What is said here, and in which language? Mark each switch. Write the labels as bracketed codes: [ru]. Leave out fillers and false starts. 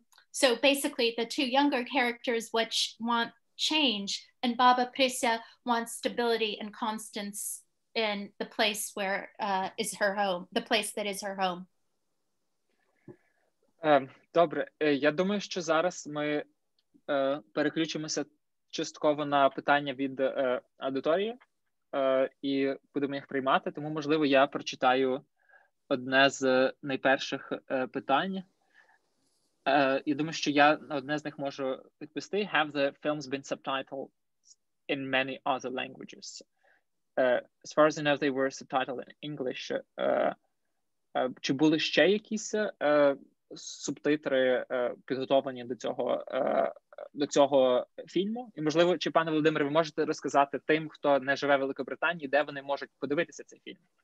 [en] So basically the two younger characters which want change, and Baba Prisia wants stability and constance in the place where is her home, the place that is her home. [uk] Добре, я думаю, що зараз ми переключимося частково на питання від аудиторії і будемо їх приймати, тому, можливо, я прочитаю одне з найперших питань. Я думаю, що я на одне з них можу відповісти. [en] Have the films been subtitled in many other languages? As far as I know, they were subtitled in English. [uk] Чи були ще якісь субтитри підготовлені до цього фільму? І, можливо, чи, пане Володимире, ви можете розказати тим, хто не живе в Великобританії, де вони можуть подивитися цей фільм?